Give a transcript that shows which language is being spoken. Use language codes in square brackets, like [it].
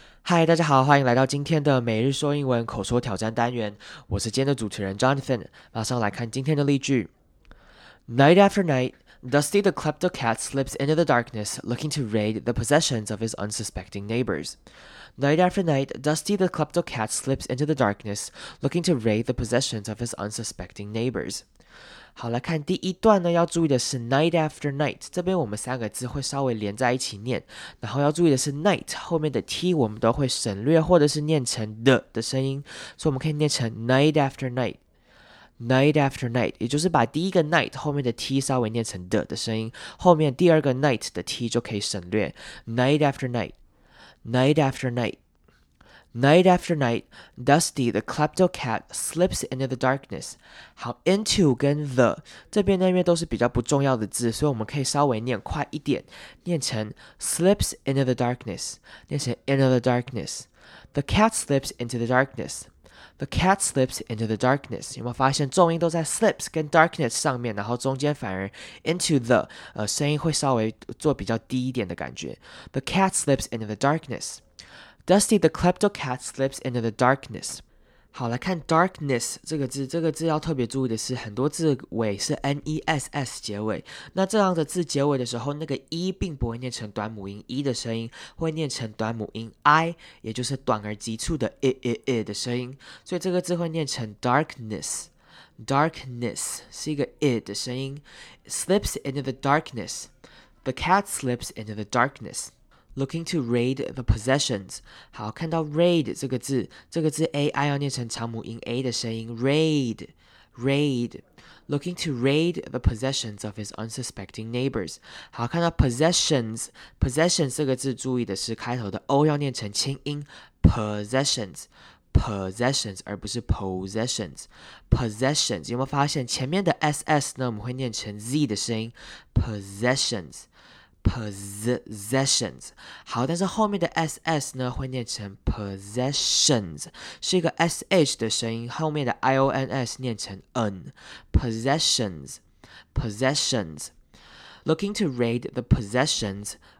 [zh] 嗨，大家好，欢迎来到今天的每日说英文口说挑战单元。我是今天的主持人 Jonathan。马上来看今天的例句。 [en] Night after night, Dusty the kleptocat slips into the darkness, looking to raid the possessions of his unsuspecting neighbors. Night after night, Dusty the kleptocat slips into the darkness, looking to raid the possessions of his unsuspecting neighbors. [zh] 好，来看第一段呢，要注意的是 [en] night after night， [zh] 这边我们三个字会稍微连在一起念，然后要注意的是 night 后面的 t 我们都会省略或者是念成的声音，所以我们可以念成 night after night， night after night， 也就是把第一个 night 后面的 t 稍微念成的声音，后面第二个 night 的 t 就可以省略， night after night， night after night。 [en] Night after night, Dusty the kleptocat slips into the darkness. [zh] 好 ，into 跟 the 这边呢，因为都是比较不重要的字，所以我们可以稍微念快一点，念成 [en] slips into the darkness， [zh] 念成 into the darkness. [en] The cat slips into the darkness. The cat slips into the darkness. [zh] 有没有发现重音都在 slips 跟 darkness 上面，然后中间反而 into the 声音会稍微做比较低一点的感觉。 [en] The cat slips into the darkness. Dusty the kleptocat slips into the darkness. [zh] 好，来看 darkness 这个字，这个字要特别注意的是，很多字尾是 ness 结尾。那这样的字结尾的时候，那个 e 并不会念成短母音 e 的声音，会念成短母音 i， 也就是短而急促的 i 的声音。所以这个字会念成 darkness。 [en] Darkness 是一个 i 的声音。 Slips into the darkness. The cat slips into the darkness. Looking to raid the possessions. [zh] 好，看到 raid 这个字，这个字 ai 要念成长母音 a 的声音 raid, raid. [en] Looking to raid the possessions of his unsuspecting neighbors. [zh] 好，看到 possessions, possessions 这个字注意的是开头的 o 要念成轻音 possessions. Possessions 而不是 possessions Possessions 有没有发现前面的 ss 呢，我们会念成 z 的声音 Possessions Possessions 好，但是后面的 ss 呢会念成 Possessions 是一个 sh 的声音，后面的 ions 念成 n Possessions Possessions [en] Looking to raid the possessionsOf.